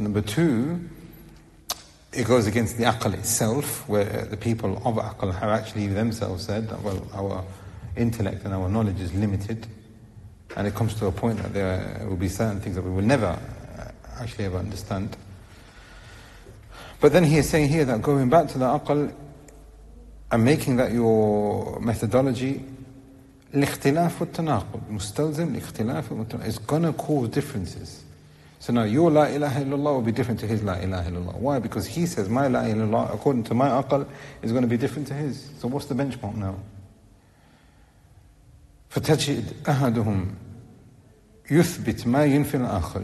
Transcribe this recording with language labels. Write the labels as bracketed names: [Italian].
[English] Number two, it goes against the Aql itself, where the people of Aql have actually themselves said that, well, our intellect and our knowledge is limited, and it comes to a point that there will be certain things that we will never actually ever understand. But then he is saying here that going back to the Aql and making that your methodology, [Arabic] الاختلاف والتناقض مستلزم الاختلاف والتناقض [English] is gonna cause differences. So now your la ilaha illallah will be different to his la ilaha illallah. Why? Because he says my la ilaha illallah according to my aql is going to be different to his. So what's the benchmark now? [Arabic] فتجد أحدهم يثبت ما ينفي الآخر.